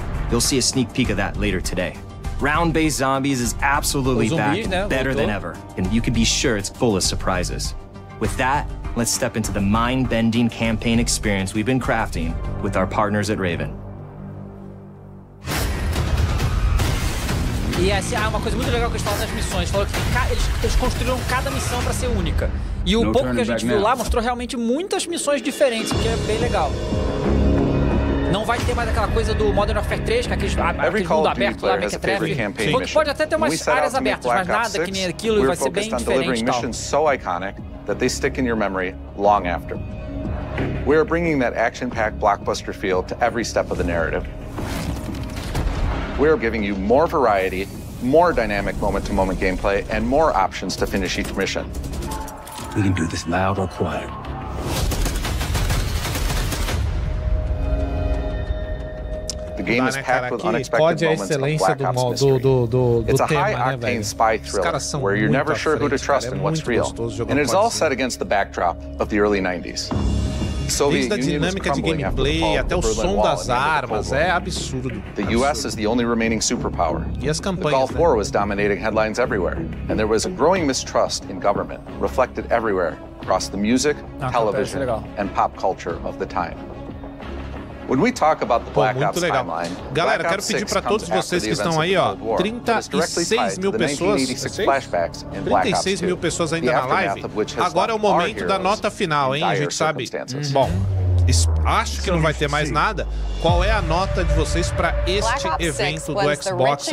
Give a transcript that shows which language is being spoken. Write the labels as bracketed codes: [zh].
[en] You'll see a sneak peek of that later today. Round-based zombies is absolutely back, better than ever. And you can be sure it's full of surprises. With that, let's step into the mind-bending campaign experience we've been crafting with our partners at Raven. [pt] E essa é uma coisa muito legal que eles falam nas missões. Falou que eles construíram cada missão para ser única. E o pouco que a gente viu lá mostrou realmente muitas missões diferentes, o que é bem legal. Não vai ter mais aquela coisa do Modern Warfare 3, que é aquele mundo aberto lá, Mequetrefe. Pode até ter umas áreas abertas, mas nada que nem aquilo, vai ser bem diferente. [en] That they stick in your memory long after. We are bringing that action-packed blockbuster feel to every step of the narrative. We are giving you more variety, more dynamic moment-to-moment gameplay, and more options to finish each mission. We can do this loud or quiet. The game is packed with unexcected moments of Black Ops mystery. It's a high-octane spy thriller where you're never sure who to trust and what's real. And it's all set against the backdrop of the early 90s. Soviet Union is crumbling after the fall of the Berlin Wall and the end of the Cold War. The U.S. is the only remaining superpower. The Gulf War was dominating headlines everywhere. And there was a growing mistrust in government, reflected everywhere across the music, television, and pop culture of the time. When we talk about the Black Ops timeline, [pt] galera, quero pedir para todos vocês que estão aí, ó, 36 mil pessoas, 36 mil pessoas ainda na live. Agora é o momento da nota final, hein? A gente sabe. Bom, acho que não vai ter mais nada. Qual é a nota de vocês para este evento do Xbox?